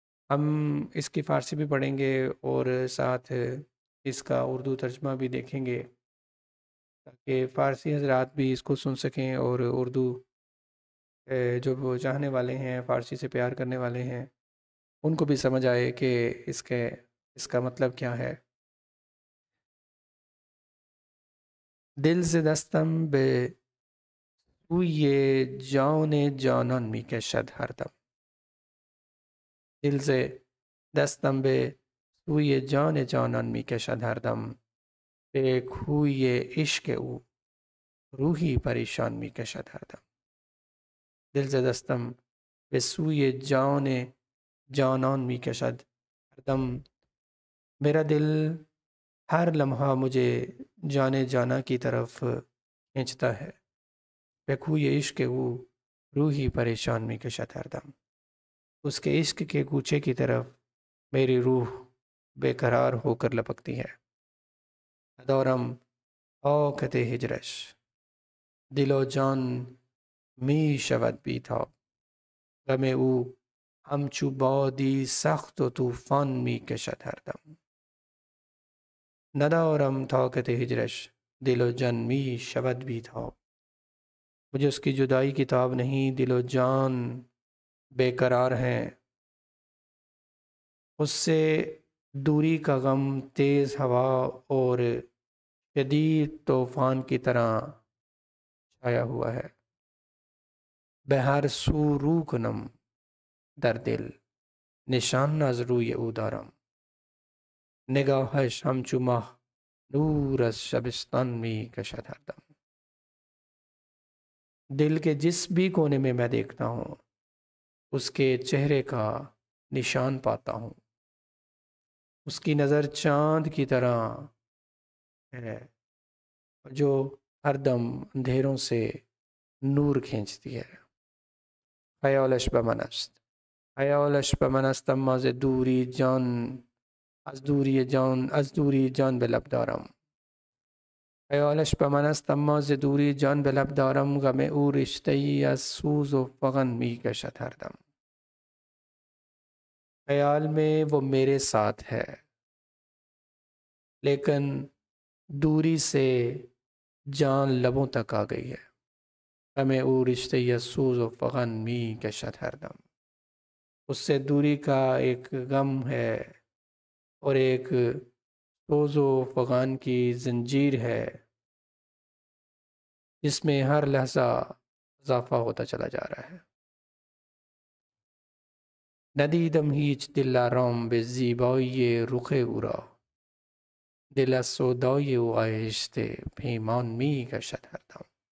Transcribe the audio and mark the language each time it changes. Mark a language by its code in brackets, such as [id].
[ur] ہم اس کی فارسی بھی پڑھیں گے اور ساتھ اس کا اردو ترجمہ بھی دیکھیں گے، تاکہ فارسی حضرات بھی اس کو سن سکیں اور اردو جو چاہنے والے ہیں، فارسی سے پیار کرنے والے ہیں، ان کو بھی سمجھ آئے کہ اس کا مطلب کیا ہے. [fa] دل ز دستم بے سوی جان جانان می کشد ہر دم. دل ز دستم بے سوی جان جانان می کشد ہر دم. بے کھوی عشق او روحی پریشان می کشد ہر دم. دل ز دستم بے سوی جان جانان می کشد ہر دم. [ur] میرا دل ہر لمحہ مجھے جان جانا کی طرف کھینچتا ہے. [fa] بے کھوی عشق او روحی پریشان می کشد ہر دم. [ur] اس کے عشق کے گوچھے کی طرف میری روح بے قرار ہو کر لپکتی ہے. [fa] ندارم طاقت هجرش، دل و جان می شود بیتاب. غم او همچو بادی سخت و طوفان می کشد هر دم. ندارم طاقت هجرش، دل و جان می شود بیتاب. [ur] مجھے اس کی جدائی کی تاب نہیں، دل و جان بے قرار ہیں. اس سے دوری کا غم تیز ہوا اور شدید طوفان کی طرح چھایا ہوا ہے. [fa] بہ ہر سو رو کنم در دل، نشان از روی او دارم. نگاہش ہمچو ماہ نور از شبستان می کشد ہر دم. [ur] دل کے جس بھی کونے میں میں دیکھتا ہوں، اس کے چہرے کا نشان پاتا ہوں. اس کی نظر چاند کی طرح ہے، جو ہر دم اندھیروں سے نور کھینچتی ہے. [fa] خیالش بمن است، خیالش به من است اما از دوری جان، از دوری جان، از دوری جان به لب دارم. خیالش به من است اما از دوری جان به لب دارم، غم او رشته ای از سوز و فغان می کشد هر دم. [ur] خیال میں وہ میرے ساتھ ہے لیکن دوری سے جان لبوں تک آ گئی ہے، [fa] غم او رشتے یا سوز و فغن می کشت ہر دم. [ur] اس سے دوری کا ایک غم ہے اور ایک سوز و فغن کی زنجیر ہے جس میں ہر لحظہ اضافہ ہوتا چلا جا رہا ہے. [fa] ندیدم هیچ دل آرام به زیبایی رخ او را، دل از سودای او آهسته پیمان می کشد هر دم.